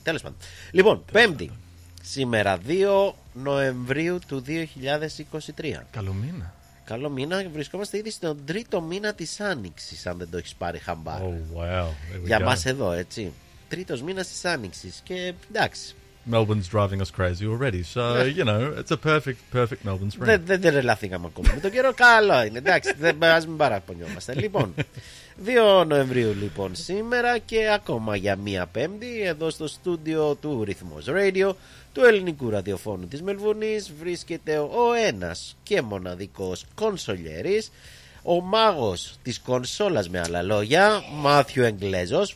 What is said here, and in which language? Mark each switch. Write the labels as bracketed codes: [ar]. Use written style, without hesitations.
[el] Τέλος πάντων. Λοιπόν, Πέμπτη. Σήμερα 2 Νοεμβρίου του 2023. Καλό μήνα. Καλό μήνα. Βρισκόμαστε ήδη στον τρίτο μήνα της Άνοιξης, αν δεν το έχεις πάρει χαμπάρι. [en] Oh, wow. [el] Για μας εδώ, έτσι. Τρίτος μήνας της Άνοιξης. Και εντάξει. [en] Melbourne's driving us crazy already, so you know it's a perfect Melbourne spring. [el] Δεν τρελαθήκαμε ακόμα. Με τον καιρό καλό είναι. Εντάξει, ας μην παραπονιόμαστε. Λοιπόν, 2 Νοεμβρίου λοιπόν σήμερα και ακόμα για μία Πέμπτη εδώ στο στούντιο του Rhythmos Radio, του ελληνικού ραδιοφώνου της Μελβούνης, βρίσκεται ο ένας και μοναδικός κονσολιέρης, ο μάγος της κονσόλας με άλλα λόγια, Μάθιου Εγκλέζος.